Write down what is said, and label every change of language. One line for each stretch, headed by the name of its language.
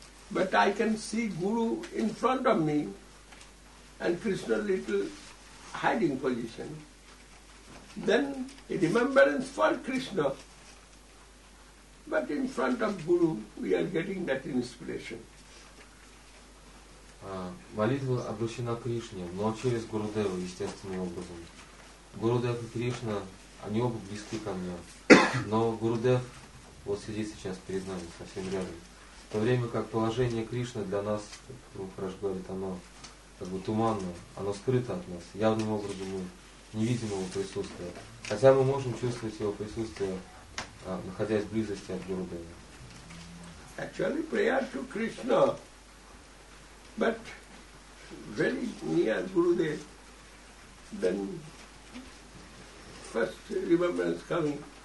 English: But I can see Guru in front of me and Krishna little hiding position. Then a remembrance for Krishna. But in front of Guru, we are getting that inspiration.
Russian: Молитва обращена к Кришне, но через Гурудеву, естественным образом. Гурудев и Кришна, они оба близки ко мне. Но Гурудев вот сидит сейчас перед нами, совсем рядом. В то время как положение Кришны для нас, как Махарадж говорит, оно как бы туманно, оно скрыто от нас. Явным образом мы не видим его присутствия. Хотя мы можем чувствовать его присутствие, находясь в близости от Гурудева.
English: Actually, prayer to Krishna, but very near Gurudev, then first remembrance coming.